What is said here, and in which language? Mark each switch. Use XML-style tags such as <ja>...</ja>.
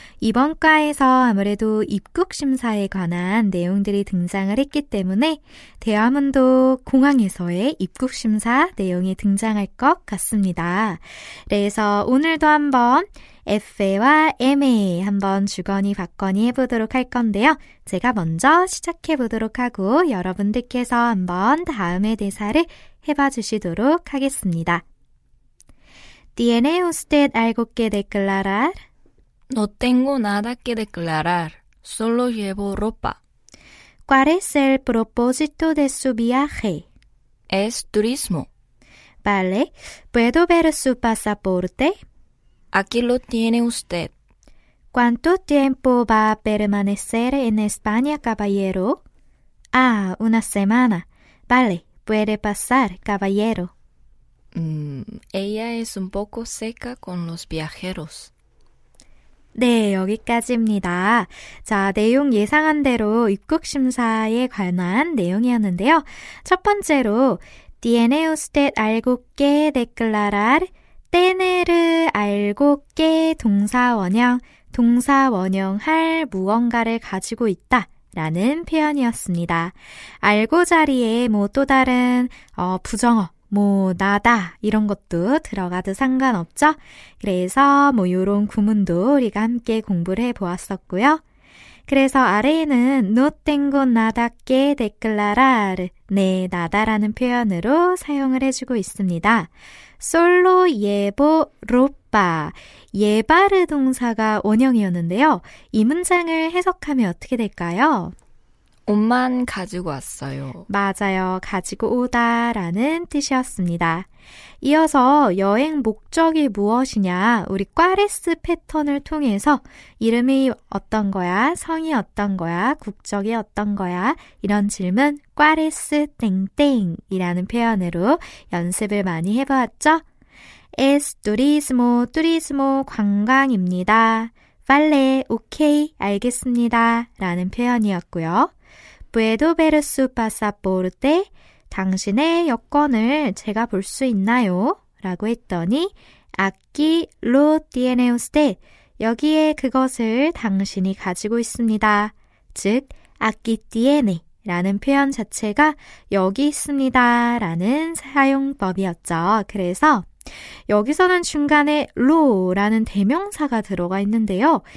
<ko>이번 과에서 아무래도 입국 심사에 관한 내용들이 등장을 했기 때문에 대화문도 공항에서의 입국 심사 내용이 등장할 것 같습니다. 그래서 오늘도 한번 F와 MA 한번 주거니 받거니 해보도록 할 건데요. 제가 먼저 시작해보도록 하고 여러분들께서 한번 다음의 대사를 해봐 주시도록 하겠습니다.</ko> <es>¿Tiene usted algo que declarar? No tengo nada que declarar. Solo llevo ropa. ¿Cuál es el propósito de su viaje? Es turismo. Vale. ¿Puedo ver su pasaporte? Aquí lo tiene usted. ¿Cuánto tiempo va a permanecer en España, caballero? Ah, una semana. Vale. Puede pasar, caballero. Ella es un poco seca con los viajeros.</es> <ko>네, 여기까지입니다. 자, 내용 예상한 대로 입국 심사에 관한 내용이었는데요. 첫 번째로</ko> <es>¿Tiene usted algo que declarar?</es> <ko>Tener을 알고 que 동사원형, 동사원형 할 무언가를 가지고 있다. 라는 표현이었습니다. 알고 자리에 뭐 또 다른 부정어, 뭐 나다 이런 것도 들어가도 상관없죠. 그래서 뭐 이런 구문도 우리가 함께 공부를 해보았었고요. 그래서 아래에는</ko> <es>No tengo nada que declarar</es> <ko>네, 나다라는 표현으로 사용을 해주고 있습니다.</ko> <es>Solo llevo ropa</es> <ko>예바르 동사가 원형이었는데요. 이 문장을 해석하면 어떻게 될까요? 옷만 가지고 왔어요. 맞아요. 가지고 오다 라는 뜻이었습니다. 이어서 여행 목적이 무엇이냐 우리 꽈레스 패턴을 통해서 이름이 어떤 거야, 성이 어떤 거야, 국적이 어떤 거야 이런 질문 꽈레스 땡땡이라는 표현으로 연습을 많이 해보았죠.</ko> <es>Es turismo, turismo</es> <ko>관광입니다. Vale, ok, 알겠습니다 라는 표현이었고요.</ko> <es>Puedo ver su pasaporte?</es> <ko>당신의 여권을 제가 볼 수 있나요? 라고 했더니</ko> <es>Aquí lo tiene usted.</es> <ko>여기에 그것을 당신이 가지고 있습니다. 즉,</ko> <es>Aquí tiene</es> <ko>라는 표현 자체가 여기 있습니다 라는 사용법이었죠. 그래서 여기서는 중간에 lo 라는 대명사가 들어가 있는데요.</ko>